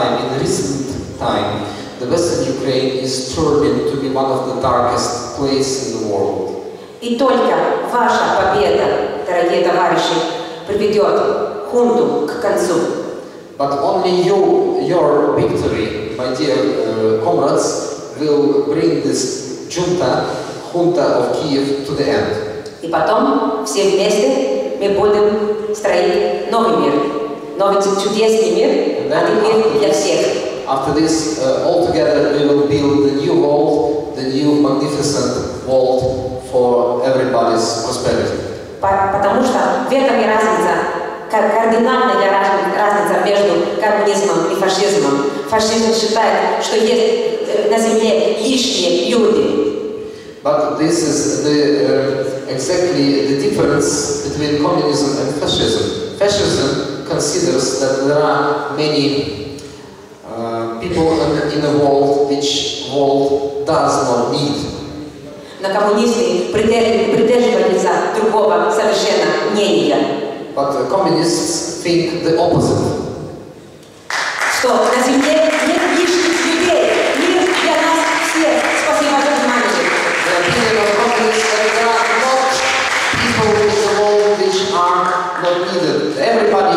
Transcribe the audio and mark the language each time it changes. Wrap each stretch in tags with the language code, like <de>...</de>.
<en>In recent time, the Western Ukraine is turning to be one of the darkest places in the world.</en> <ru>И только ваша победа, дорогие товарищи, приведет хунту к концу.</ru> <en>But only your victory, my dear comrades, will bring this junta of Kiev to the end.</en> <ru>И потом все вместе мы будем строить новый мир, новый чудесный мир, новый мир для всех.</ru> <en>After this, all together we will build the new world, the new magnificent world for everybody's prosperity.</en> <ru>Потому что в этом и разница, кардинальная разница между коммунизмом и фашизмом. Фашизм считает, что есть на земле лишние люди.</ru> <en>But this is exactly the difference between communism and fascism. Fascism considers that there are many people in a world which world does not need.</en> <ru>На коммунисты придерживаются другого совершенно мнения.</ru> <en>But communists think the opposite.</en> <ru>Что на земле нет лишних людей, мир для нас всех. Спасибо за внимание.</ru> <en>The opinion of communists that there are not people in the world which are not needed. Everybody</en>